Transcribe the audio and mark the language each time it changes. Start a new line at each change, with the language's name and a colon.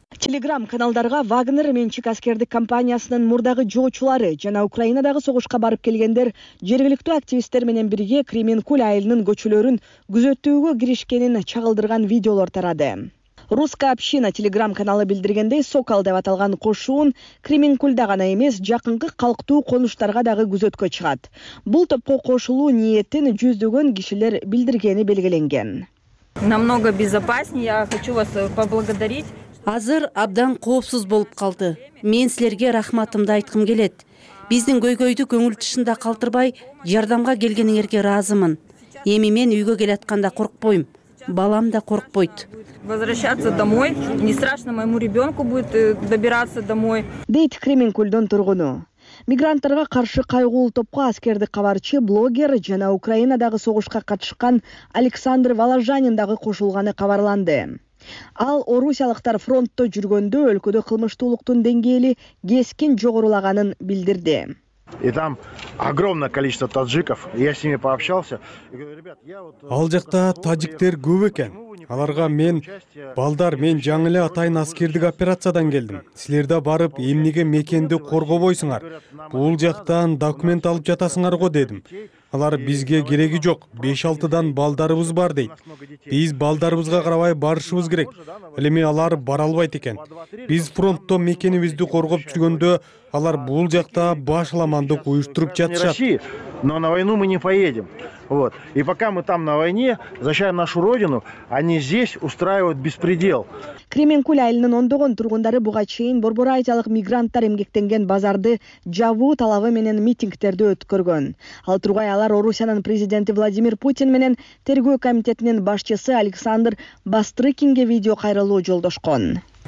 Kyrgyz: Телеграм каналдарга Вагнер менчик аскердик компаниясынын мурдагы жоочулары жана Украинадагы согушка барып келгендер жергиликтүү активисттер менен бирге Кременкуль айылынын көчөлөрүн күзөтүүгө киришкенин чагылдырган видеолор тарады. Русская община телеграм каналы билдиргендей, Сокол деп аталган кошуун Кременкульда гана эмес, жакынкы калктуу конуштарга дагы күзөткө чыгат. Бул топко кошулуу ниетин жүздөгөн кишилер билдиргени белгиленген.
Russian: Намного безопаснее, я хочу вас поблагодарить.
Kyrgyz: Азыр абдан коопсуз болуп калды. Мен силерге рахматымды айткым келет. Биздин көйгөйдү көңүл тышында калтырбай, жардамга келгениңерге ыраазымын. Эми мен үйгө келатканда коркпойм. Балам да коркпойт.
Russian: Возвращаться домой, не страшно моему ребёнку будет добираться домой.
Kyrgyz: Дейт Кременкульдон тургуну. Мигранттарга каршы кайгуул топко аскердик кабарчы, блогер жана Украинадагы согушка катышкан Александр Валажанин дагы кошулганы кабарланды. Ал орусиялыктар фронтто жүргөндө өлкөдө кылмыштуулуктун деңгээли кескин жогорулаганын билдирди.
Russian: И там огромное количество таджиков. Я с ними пообщался.
Kyrgyz: Ал жакта таджиктер көп экен. Аларга мен балдар, мен жаңы эле атайын аскердик операциядан келдим. Силер да барып эмнеге мекенди коргобойсуңар? Бул жактан документ алып жатасыңар го дедим. Алар бизге кереги жок, 5-6дан балдарыбыз бар дейт. Биз балдарыбызга карабай барышыбыз керек. Элеми алар бара албайт экен. Биз фронтто мекенибизди коргоп жүргөндө алар бул жакта башламандык уюштуруп жатышат.
Russian: Но на войну мы не поедем. Вот. И пока мы там на войне, защищаем нашу родину, они здесь устраивают беспредел.
Kyrgyz: Кременкуль айылынын ондогон тургундары буга чейин борбор-азиялык мигранттар эмгектенген базарды жабуу талабы менен митингтерди өткөргөн. Ал тургай алар Орусиянын президенти Владимир Путин менен тергөө комитетинин башчысы Александр Бастрыкинге видео кайрылуу жолдошкон.